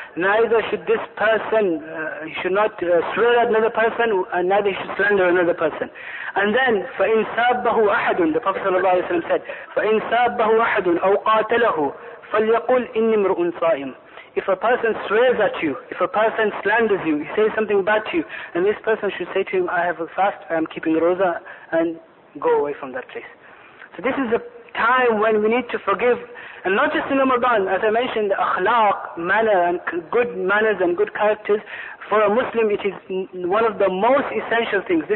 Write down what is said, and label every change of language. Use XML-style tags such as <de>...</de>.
<en>Neither should this person, he should not swear at another person, and neither he should slander another person. And then,</en> <ar>فَإِنْ سَابَّهُ أَحَدٌ,</ar> <en>the Prophet ﷺ said,</en> <ar>فَإِنْ سَابَّهُ أَحَدٌ أَوْ قَاتَلَهُ فَلْيَقُلْ إِنِّي مْرُؤٌ صَائِمٌ.</ar> <en>If a person swears at you, if a person slanders you, he says something bad to you, then this person should say to him, I have a fast, I am keeping roza, and go away from that place. So this is a time when we need to forgive, and not just in Ramadan. As I mentioned, akhlaq, manner, and good manners and good characters, for a Muslim it is one of the most essential things.</en>